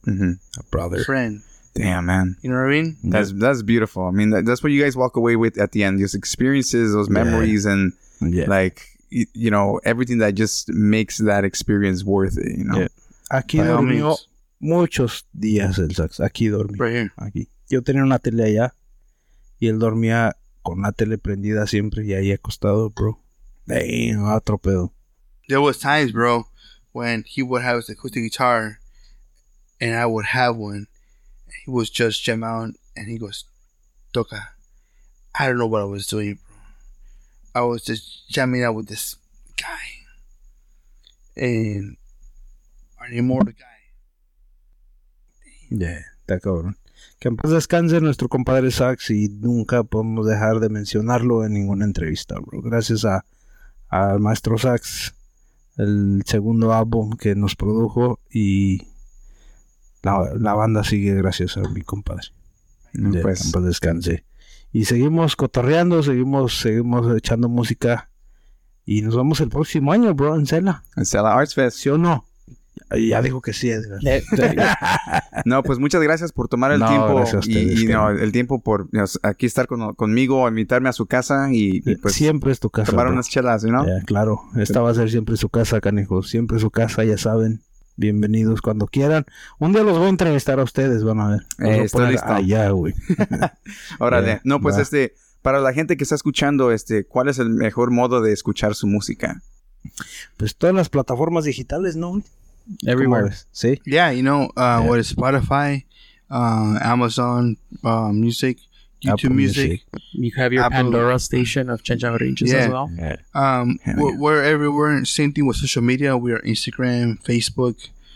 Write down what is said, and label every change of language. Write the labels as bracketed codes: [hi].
[en] Mm-hmm. A brother. Friend. Damn, man. You know what I mean? That's beautiful. I mean, that's what you guys walk away with at the end. Those experiences, those memories, and like, you know, everything that just makes that experience worth it, you know? Yeah. [es] Aquí dormió muchos días el sax. Aquí dormí. [en] Right here. [es] Aquí. Yo tenía una tele allá, y él dormía con la tele prendida siempre, y ahí acostado, bro. Damn, otro pedo. [en] There was times, bro, when he would have his acoustic guitar, and I would have one. He was just jam out, and he goes, "Toca." I don't know what I was doing, bro. I was just jamming out with this guy, and an immortal guy. Yeah, that cabrón. [es] Que en paz descanse nuestro compadre Sax, y nunca podemos dejar de mencionarlo en ninguna entrevista, bro. Gracias a maestro Sax, el segundo álbum que nos produjo y la banda sigue gracias a mi compadre. Pues descanse. Y seguimos cotorreando, seguimos echando música y nos vamos el próximo año, bro, en Cela. En Cela Arts Fest. ¿Sí o no? Ya dijo que sí. No, pues muchas gracias por tomar el tiempo. Gracias a ustedes, el tiempo por aquí estar conmigo, invitarme a su casa y pues siempre es tu casa. Tomar unas chelas, ¿no? Claro, esta va a ser siempre su casa, canijo. Siempre su casa, ya saben. Bienvenidos cuando quieran. Un día los voy a entrevistar a ustedes, van a ver. Estoy listo. Allá, güey. Órale. No, pues para la gente que está escuchando, ¿cuál es el mejor modo de escuchar su música? Pues todas las plataformas digitales, ¿no? [en] Everywhere, [es] sí. [en] Yeah, what is Spotify, Amazon Music, YouTube Apple Music. You have your Apple. Pandora station of Chencharinches as well. We're everywhere. Same thing with social media. We are Instagram, Facebook.